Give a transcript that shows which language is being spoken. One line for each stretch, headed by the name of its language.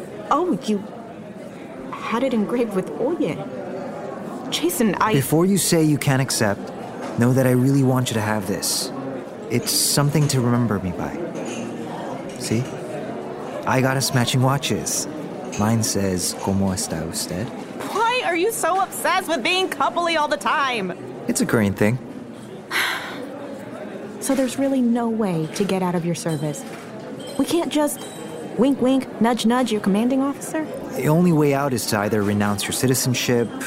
English: Oh, you had it engraved with Oye. Jason, I... Before you say you can't accept, know that I really want you to have this. It's something to remember me by. See? I got us matching watches. Mine says,
Spanish: ¿Cómo está usted?
English: Why are you so obsessed with being coupley all the time? It's a Korean thing. So there's really no way to get out of your service. We can't just wink, wink, nudge, nudge your commanding officer? The only way out is to either renounce your citizenship...